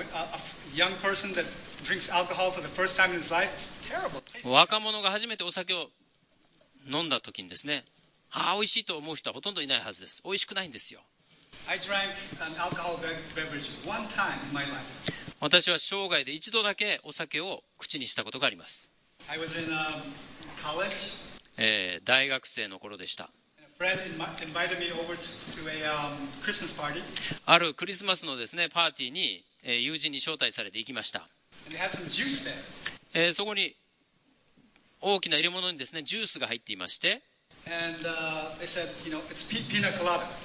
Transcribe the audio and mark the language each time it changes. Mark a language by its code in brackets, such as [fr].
[en] A young person that drinks alcohol for the first time in his life, it's terrible. [ja] 若者が初めてお酒を飲んだときにですね、ああ美味しいと思う人はほとんどいないはずです。美味しくないんですよ。 [en] I drank an alcohol beverage one time in my life. [ja] 私は生涯で一度だけお酒を口にしたことがあります。 [en] I was in, college. [ja] 大学生の頃でした。 [en] And a friend invited me over to a, Christmas party. [ja] あるクリスマスのですね、パーティーに、友人に招待されて行きました。 [en] And they had some juice there. [ja] そこに大きな入れ物にですね、ジュースが入っていまして、 [en] And, they said, you know, it's pina colada.